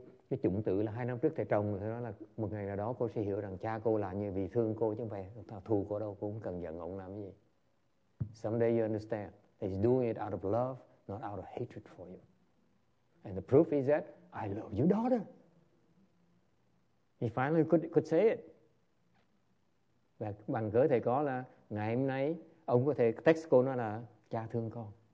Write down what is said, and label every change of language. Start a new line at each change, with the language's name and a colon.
Vietnamese: Cái chủng tử là 2 năm trước thầy trồng, thì nó là một ngày nào đó cô sẽ hiểu rằng cha cô là như vì thương cô chứ không phải thù cô đâu, cô cũng cần giận ông làm cái gì.
English: Someday you understand. He's doing it out of love, not out of hatred for you. And the proof is that I love your daughter. He finally could say it.
Vietnamese: Và bằng cớ thầy có là ngày hôm nay ông có thể text cô nói là cha thương con.